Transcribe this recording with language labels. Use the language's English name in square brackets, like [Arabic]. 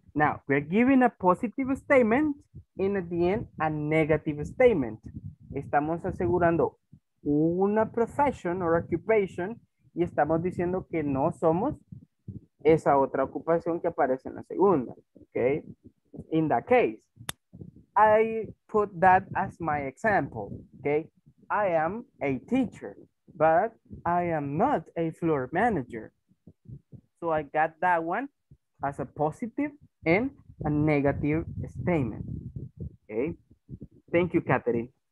[English] Now, we're giving a positive statement and at the end, a negative statement. [Spanish] Estamos asegurando una [English] profession or occupation [Spanish] y estamos diciendo que no somos esa otra ocupación que aparece en la segunda. [English] Okay? In that case, I put that as my example. Okay? I am a teacher, but I am not a floor manager. So I got that one as a positive and a negative statement. Okay. Thank you, Catherine.